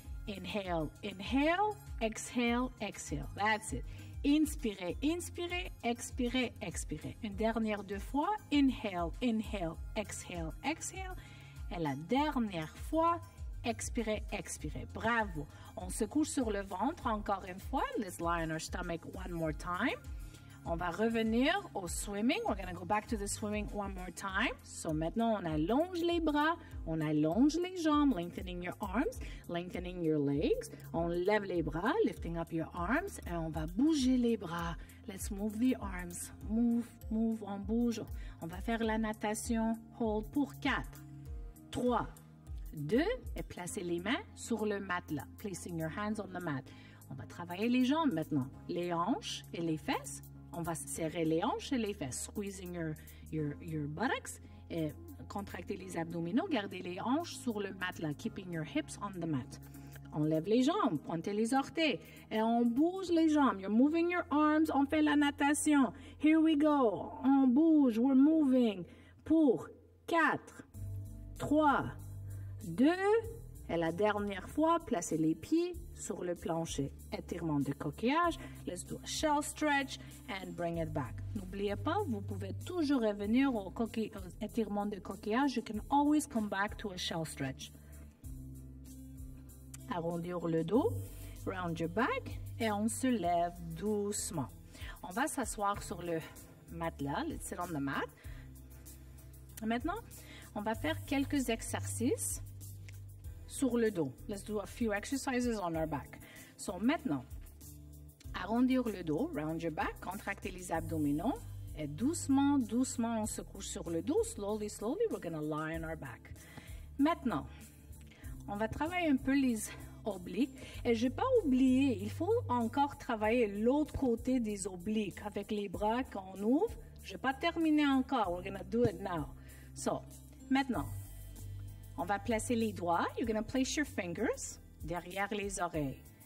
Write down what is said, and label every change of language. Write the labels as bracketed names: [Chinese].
[English] Inhale, inhale, exhale, exhale. That's it. [French] Inspirez, inspirez, expirez, expirez. Une dernière deux fois. [English] Inhale, inhale, exhale, exhale. [French] Et la dernière fois, expirez, expirez. Bravo. On se couche sur le ventre encore une fois. [English] Let's lie on our stomach one more time. [French] On va revenir au swimming. [English] We're going to go back to the swimming one more time. [French] So maintenant, on allonge les bras. On allonge les jambes. [English] Lengthening your arms. Lengthening your legs. [French] On lève les bras. [English] Lifting up your arms. [French] Et on va bouger les bras. [English] Let's move the arms. Move, move. [French] On bouge. On va faire la natation. Hold pour 4, 3, 2. Et placez les mains sur le matelas. [English] Placing your hands on the mat. [French] On va travailler les jambes maintenant. Les hanches et les fesses. On va serrer les hanches et les fesses, [English] squeezing your buttocks, [French] et contracter les abdominaux, garder les hanches sur le matelas, [English] keeping your hips on the mat. [French] On lève les jambes, pointez les orteils, et on bouge les jambes. [English] You're moving your arms, [French] on fait la natation. [English] Here we go, [French] on bouge, [English] we're moving. [French] Pour 4, 3, 2, et la dernière fois, placez les pieds sur le plancher. Étirement de coquillage. [English] Let's do a shell stretch and bring it back. [French] N'oubliez pas, vous pouvez toujours revenir au étirement de coquillage. [English] You can always come back to a shell stretch. [French] Arrondir le dos. [English] Round your back. [French] Et on se lève doucement. On va s'asseoir sur le matelas. [English] Let's sit on the mat. [French] Maintenant, on va faire quelques exercices sur le dos. [English] Let's do a few exercises on our back. [French] So, maintenant, arrondir le dos, [English] round your back, [French] contracter les abdominaux, et doucement, doucement, on se couche sur le dos. [English] Slowly, slowly, we're going to lie on our back. [French] Maintenant, on va travailler un peu les obliques. Et je n'ai pas oublié, il faut encore travailler l'autre côté des obliques avec les bras qu'on ouvre. Je n'ai pas terminé encore. [English] We're going to do it now. [French] So, maintenant, on va placer les doigts. [English] You're going to place your fingers [French] derrière les oreilles.